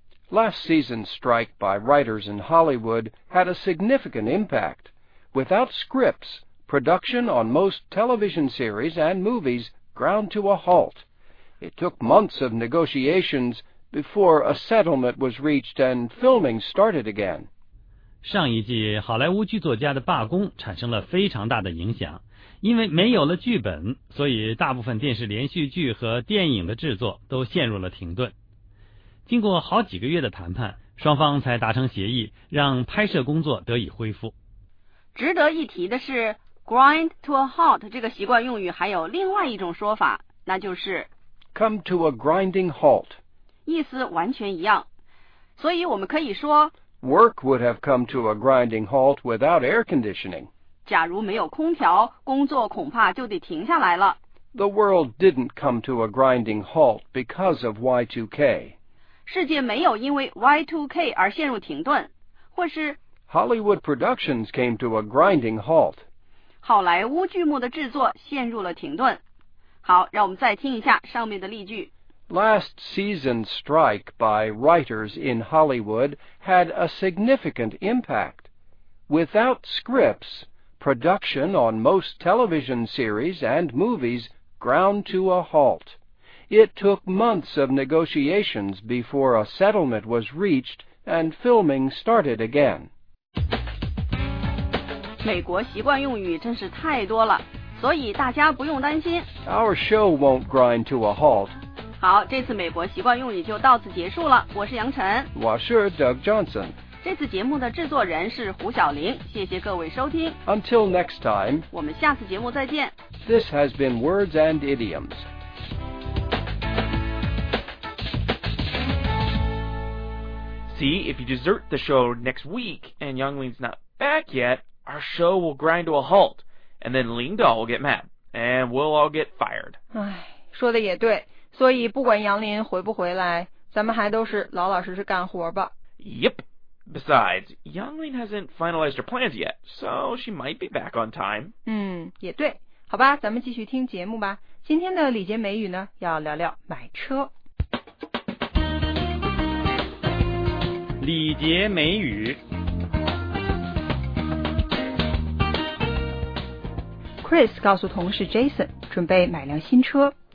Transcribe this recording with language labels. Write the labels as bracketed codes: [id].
[en] Last season's strike by writers in Hollywood had a significant impact. Without scripts, production on most television series and movies ground to a halt. It took months of negotiations before a settlement was reached and filming started again. [zh] 上一季好莱坞剧作家的罢工产生了非常大的影响，因为没有了剧本，所以大部分电视连续剧和电影的制作都陷入了停顿。经过好几个月的谈判，双方才达成协议，让拍摄工作得以恢复。值得一提的是 [en] grind to a halt [zh] 这个习惯用语还有另外一种说法，那就是 [en] come to a grinding halt， [zh] 意思完全一样，所以我们可以说 [en] Work would have come to a grinding halt without air conditioning. [zh] 假如没有空调，工作恐怕就得停下来了。 [en] The world didn't come to a grinding halt because of Y2K. [zh] 世界没有因为 Y2K 而陷入停顿，或是 [en] Hollywood productions came to a grinding halt. [zh] 好莱坞剧目的制作陷入了停顿。好，让我们再听一下上面的例句。 [en] Last season's strike by writers in Hollywood had a significant impact. Without scripts, production on most television series and movies ground to a halt. It took months of negotiations before a settlement was reached and filming started again. [zh] 美国习惯用语真是太多了，所以大家不用担心。 [en] Our show won't grind to a halt. [zh] 好，这次美国习惯用语就到此结束了。我是杨晨，我是 Doug Johnson。这次节目的制作人是胡晓玲，谢谢各位收听。 [en] Until next time， [zh] 我们下次节目再见。 [en] This has been Words and Idioms。 See if you desert the show next week and Youngling's not back yet, our show will grind to a halt, and then Ling Dao will get mad, and we'll all get fired。 [zh] 唉，说的也对。所以不管杨林回不回来，咱们还都是老老实实干活吧。 [en] Yep. Besides, Youngling hasn't finalized her plans yet, so she might be back on time. [zh] 也对。好吧，咱们继续听节目吧。今天的礼节美语呢，要聊聊买车。礼节美语。 Chris 告诉同事 Jason， 准备买辆新车。